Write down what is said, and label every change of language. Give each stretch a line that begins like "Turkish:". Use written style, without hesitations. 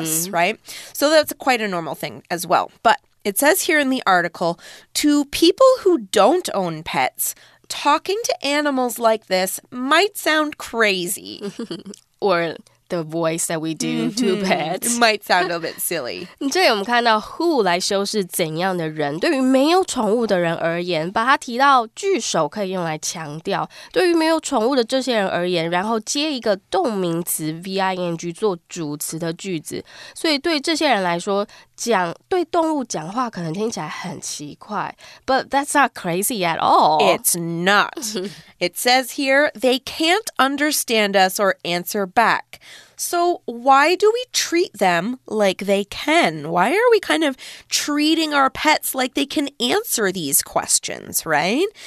English: us, right? So that's quite a normal thing as well. But it says here in the article, to people who don't own pets, talking to animals like this might sound crazy. Or the voice that we do mm-hmm. to pets. Might sound a bit silly.
Chinese: 这里我们看到 who 来修饰怎样的人。对于没有宠物的人而言，把它提到句首可以用来强调。对于没有宠物的这些人而言，然后接一个动名词 ving 做主词的句子。所以对这些人来说，讲对动物讲话可能听起来很奇怪。
English: But that's not crazy at all. It's not. It says here, they can't understand us or answer back. So why do we treat them like they can? Why are we kind of treating our pets like they can answer these questions, right?